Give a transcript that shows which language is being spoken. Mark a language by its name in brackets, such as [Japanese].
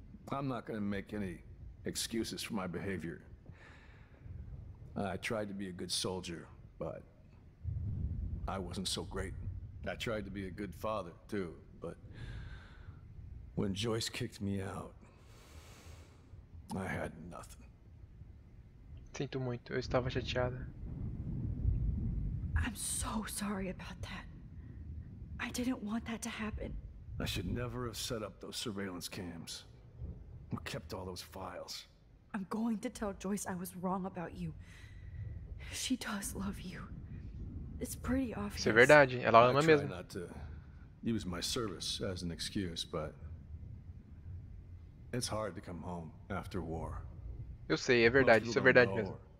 [English] I'm not going to make any excuses for my behavior. I tried to be a good soldier, but I wasn't so great. I tried to be a good father, too. When Joyce kicked me out, I had nothing. [Portuguese] Sinto muito, eu estava chateada. [English] I'm so sorry about that. I didn't want that to happen. I should never have set up those surveillance cams. Or kept all those files. I'm going to tell Joyce I was wrong about you. She does love you. It's pretty obvious. [Portuguese] Isso é verdade, ela ama mesmo. [English] I try not to use my service as an excuse, but... It's hard to come home after war. [Portuguese] Eu sei, é verdade, isso é verdade mesmo.